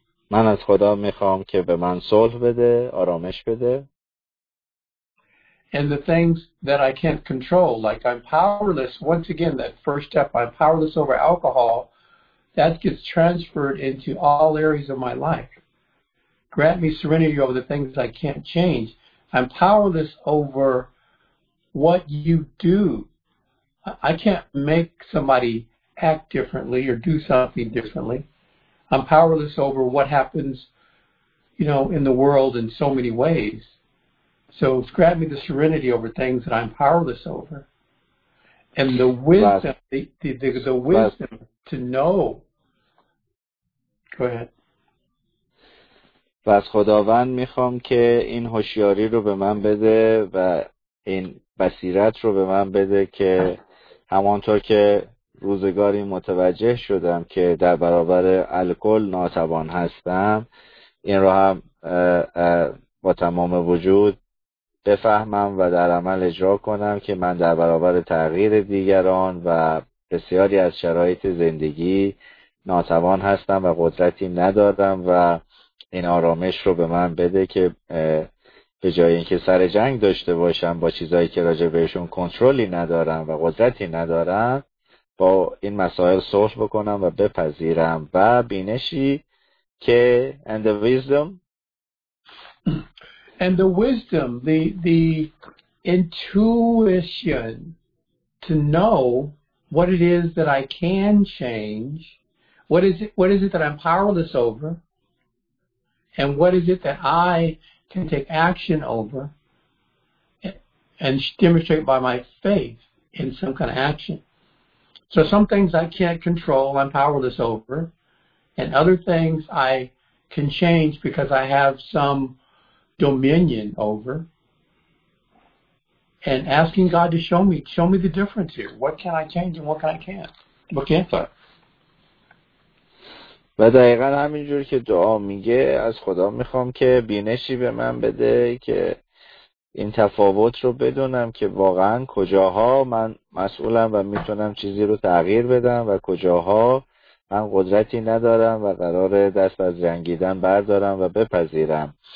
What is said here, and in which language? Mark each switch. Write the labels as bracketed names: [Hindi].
[Persian] من از خدا میخوام که به من صلح بده، آرامش بده. [English] And the things that I can't control, like I'm powerless, once again, that first step, I'm powerless over alcohol, that gets transferred into all areas of my life. Grant me serenity over the things I can't change. I'm powerless over what you do. I can't make somebody act differently or do something differently. I'm powerless over what happens, you know, in the world in so many ways. So grant me the serenity over things that I'm powerless over, and the wisdom, the wisdom to know. Go ahead. [Persian] و از خداوند میخوام که این هوشیاری رو به من بده و این بصیرت رو به من بده که همانطور که روزگاری متوجه شدم که در برابر الکل ناتوان هستم، این رو هم با تمام وجود بفهمم و در عمل اجرا کنم که من در برابر تغییر دیگران و بسیاری از شرایط زندگی ناتوان هستم و قدرتی ندارم و این آرامش رو به من بده که به جای اینکه سر جنگ داشته باشم با چیزایی که راجع بهشون کنترلی ندارم و قدرتی ندارم، با این مسائل صلح بکنم و بپذیرم و بینشی که [English] and the wisdom, the intuition to know what it is that I can change, what is it that I'm powerless over, and what is it that I can take action over and demonstrate by my faith in some kind of action. So some things I can't control, I'm powerless over, and other things I can change because I have some dominion over, and asking God to show me the difference here. What can I change and what can I can't? What can't I? [Persian] و دقیقا همینجور که دعا میگه، از خدا میخوام که بینشی به من بده که این تفاوت رو بدونم که واقعا کجاها من مسئولم و میتونم چیزی رو تغییر بدم و کجاها من قدرتی ندارم و قرار دست از جنگیدن بردارم و بپذیرم.